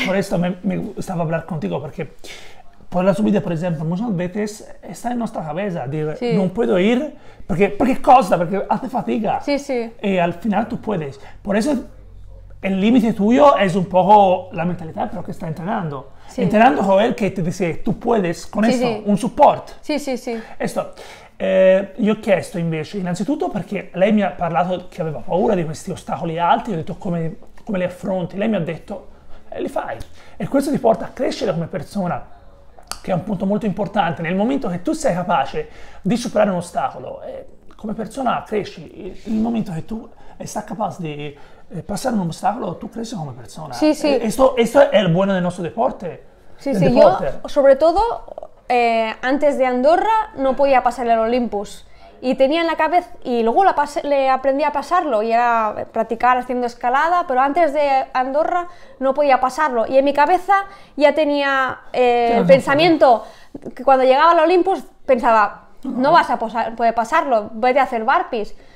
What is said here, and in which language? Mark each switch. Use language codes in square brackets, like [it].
[es] Por esto me gustaba hablar contigo, porque por la subida, por ejemplo, muchas veces está en nuestra cabeza. Dice, sí. No puedo ir, porque costa, porque hace fatiga. Sí, sí. Y al final tú puedes. Por eso... El límite tuyo es un poco la mentalidad, pero que está entrenando. Sí. Entrenando con él que te dice, tú puedes con sí, esto, sí. [en] Un support. [es] Sí, sí, sí. Esto. [it] Io ho chiesto invece, innanzitutto perché lei mi ha parlato che aveva paura di questi ostacoli alti, io ho detto come li affronti. Lei mi ha detto, li fai. E questo ti porta a crescere come persona, che è un punto molto importante. Nel momento che tu sei capace di superare un ostacolo, come persona cresci. Nel momento che tu sei capace di... passare un ostacolo, tu cresci come persona. Sì, sì. Questo è il buono del nostro deporte. Sì, sì. Io, soprattutto, antes di Andorra, non potevo passare l'Olympus. [es] Y tenía en la cabeza, y luego le aprendí a pasarlo, y era practicar haciendo escalada, pero antes de Andorra no podía pasarlo. Y en mi cabeza ya tenía el pensamiento, que cuando llegaba al Olympus pensaba, no vas a poder pasarlo, vete a hacer burpees.